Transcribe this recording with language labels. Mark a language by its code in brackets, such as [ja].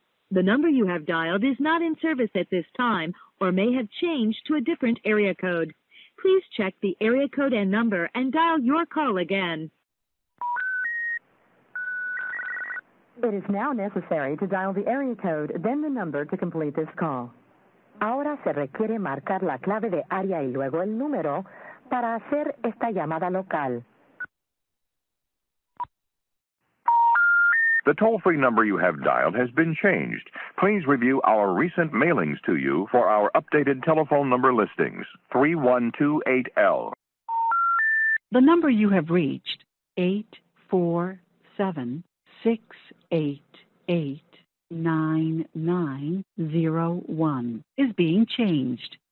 [en] The number you have dialed is not in service at this time or may have changed to a different area code. Please check the area code and number and dial your call again. It is now necessary to dial the area code, then the number to complete this call. [es] Ahora se requiere marcar la clave de área y luego el número para hacer esta llamada local. [en] The toll-free number you have dialed has been changed. Please review our recent mailings to you for our updated telephone number listings, 3128L. The number you have reached, 847-688-9901, is being changed.